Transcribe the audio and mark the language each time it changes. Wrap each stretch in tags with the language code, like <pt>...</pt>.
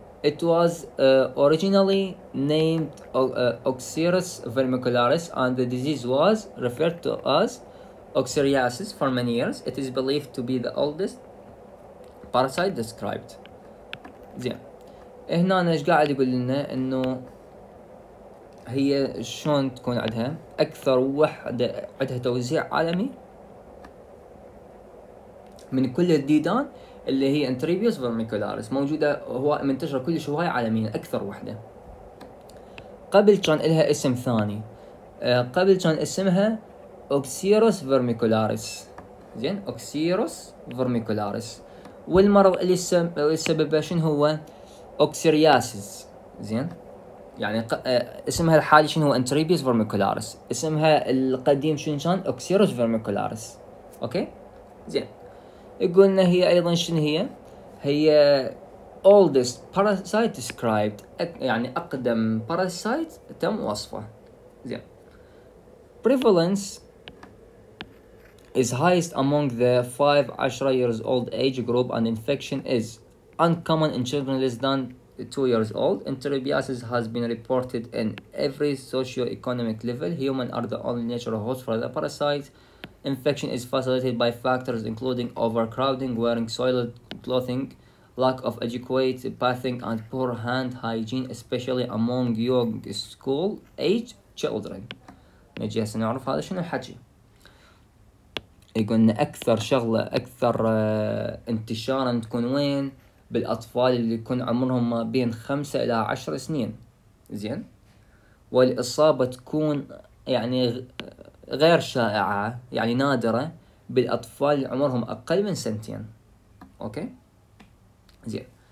<en>It was originally named Oxyrus vermicularis and the disease was referred to as oxyriasis for many years. It is believed to be the oldest parasite described.</en> <ar>زين هنا انا ايش قاعد يقول لنا؟ انه هي شلون تكون عندها اكثر وحده عندها توزيع عالمي من كل الديدان اللي هي انتروبيوس فيرميكولاريس، موجوده هو منتشره كل شوية عالميا اكثر وحده. قبل كان لها اسم ثاني، قبل كان اسمها اوكسيروس فيرميكولاريس. زين اوكسيروس فيرميكولاريس، والمرض اللي سببه شنو هو؟ اوكسيرياسيس. زين يعني اسمها الحالي شنو هو؟ انتروبيوس فيرميكولاريس. اسمها القديم شنو كان؟ اوكسيروس فيرميكولاريس. اوكي زين يقولنا هي ايضا شنو هي؟ هي</ar> <en>oldest parasite described،</en> <ar>يعني اقدم parasite تم وصفه.</ar> <en>زين prevalence is highest among the 5-10 years old age group and infection is uncommon in children less than 2 years old. Enterobiasis has been reported in every socio-economic level. Humans are the only natural host for the parasite. Infection is facilitated by factors including overcrowding, wearing soiled clothing, lack of adequate bathing, and poor hand hygiene, especially among young school-age children.</en> <ar>نجي هسه نعرف هذا شنو الحكي. يقولنا أكثر شغلة أكثر انتشاراً تكون وين؟ بالأطفال اللي يكون عمرهم ما بين 5 إلى 10 سنين. زين؟ والإصابة تكون يعني غير شائعة، يعني نادرة، بالأطفال عمرهم أقل من سنتين. أوكي زين</ar>